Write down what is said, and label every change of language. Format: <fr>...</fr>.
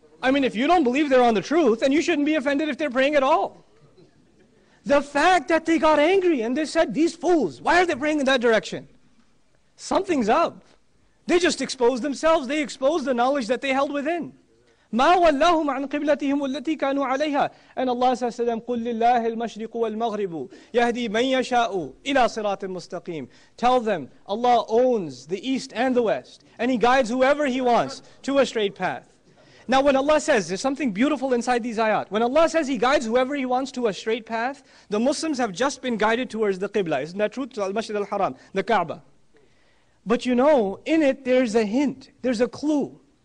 <en>I mean, if you don't believe they're on the truth, then you shouldn't be offended if they're praying at all. The fact that they got angry and they said, these fools, why are they praying in that direction? Something's up. They just exposed themselves. They exposed the knowledge that they held within.</en> <ar>مَا وَلَّهُمْ عَنْ قِبْلَتِهِمُ الَّتِي كَانُوا عَلَيْهَا.</ar> <en>And Allah says to them,</en> <ar>قُلْ لِلَّهِ الْمَشْرِقُ وَالْمَغْرِبُ يَهْدِي مَنْ يَشَاءُ إِلَى صِرَاطٍ مُسْتَقِيمٍ.</ar> <en>Tell them, Allah owns the east and the west, and He guides whoever He wants to a straight path. Now when Allah says, there's something beautiful inside these ayat. When Allah says He guides whoever He wants to a straight path, the Muslims have just been guided towards the Qibla. Isn't that true? To Al-Masjid Al-Haram, the Kaaba. But you know, in it there's a hint, there's a clue.</en>